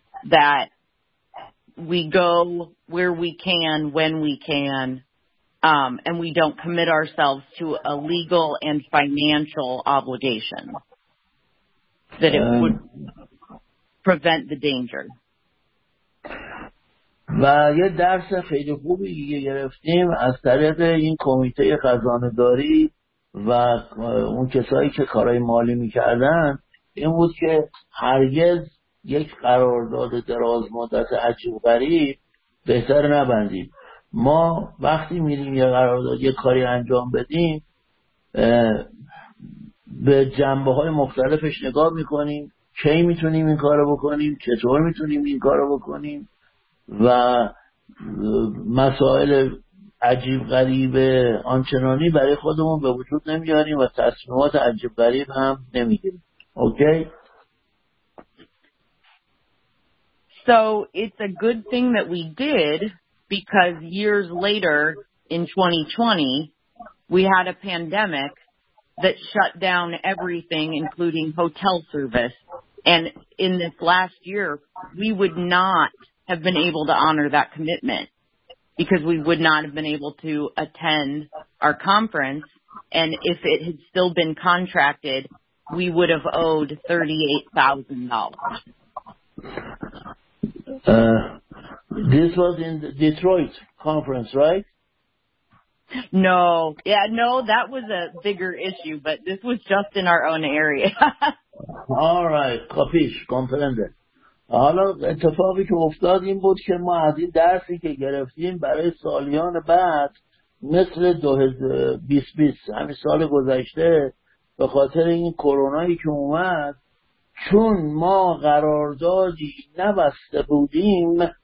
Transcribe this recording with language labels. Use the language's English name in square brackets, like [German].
[English] That we go where we can, when we can, and we don't commit ourselves to a legal and financial obligation that it would prevent the danger. [Persian] و یه درس خیلی خوبی دیگه گرفتیم از طریق این کمیته خزانه‌داری و اون کسایی که کارهای مالی می‌کردن این بود که هرگز یک قرارداد دراز مدت عجیب غریب بهتر نبندیم. ما وقتی میریم یک قرارداد یک کاری انجام بدیم به جنبه های مختلفش نگاه میکنیم کی میتونیم این کارو بکنیم چطور میتونیم این کارو بکنیم و مسائل عجیب غریب آنچنانی برای خودمون به وجود نمیاریم و تصمیمات عجیب غریب هم نمیگیریم. اوکی؟ [English] So it's a good thing that we did, because years later in 2020, we had a pandemic that shut down everything, including hotel service. And in this last year, we would not have been able to honor that commitment, because we would not have been able to attend our conference. And if it had still been contracted, we would have owed $38,000. This was in the Detroit conference, right? No. Yeah, no, that was a bigger issue, but this was just in our own area. All right. Capish, comprende. [Persian] حالا اتفاقی که افتاد این بود که ما از این درسی که گرفتیم برای سالیان بعد مثل 2020 همین سال گذشته به خاطر این کرونایی که اومد، چون ما قراردادی نبسته بودیم